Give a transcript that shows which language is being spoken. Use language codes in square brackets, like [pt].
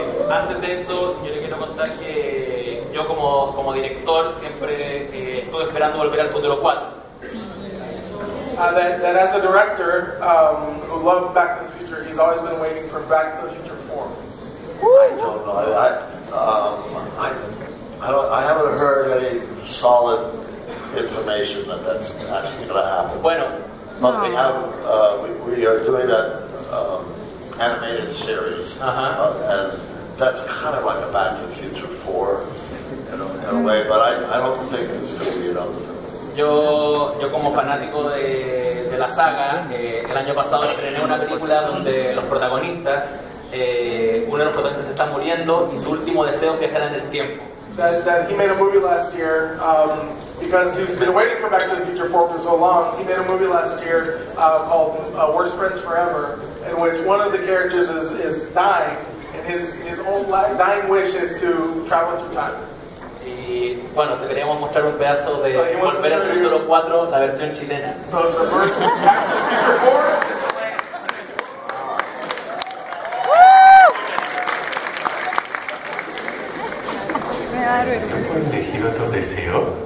[es] Antes de eso, yo le quiero contar que yo como director siempre estuve esperando volver al futuro 4. [en] That as a director who loved Back to the Future, he's always been waiting for Back to the Future 4. I don't know. I haven't heard any solid information that's actually going to happen. [es] Bueno. [en] But we have, we are doing that animated series. Uh-huh. And that's kind of like a Back to the Future 4 in a way, but I don't think it's going to be another. [es] Yo como fanático de la saga, el año pasado estrené una película donde los protagonistas, uno de los protagonistas se está muriendo y su último deseo es viajar en el tiempo. [en] That he made a movie last year, because he's been waiting for Back to the Future 4 for so long, he made a movie last year called Worst Friends Forever, in which one of the characters is dying, and his own dying wish is to travel through time. [es] Y bueno, te queríamos mostrar un pedazo de Volver al Futuro 4, la versión chilena. [en] So the first Back to the Future 4 in Chile. Woo! [es] Me da vergüenza. ¿Puedes elegir otro deseo?